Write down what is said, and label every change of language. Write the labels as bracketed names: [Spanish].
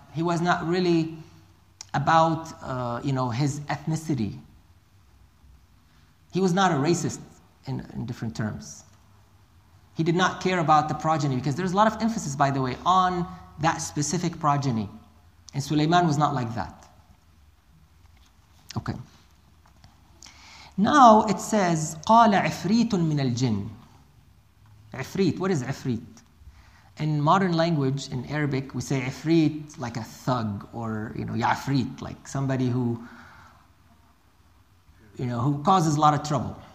[English] He was not really about, his ethnicity. He was not a racist in different terms. He did not care about the progeny, because there's a lot of emphasis, by the way, on that specific progeny. And Sulaiman was not like that. Okay. Now it says, [Arabic] قال عفريت من الجن. [English] عفريت, what is عفريت? In modern language, in Arabic, we say ifrit, like a thug, or, ya'frit, like somebody who causes a lot of trouble.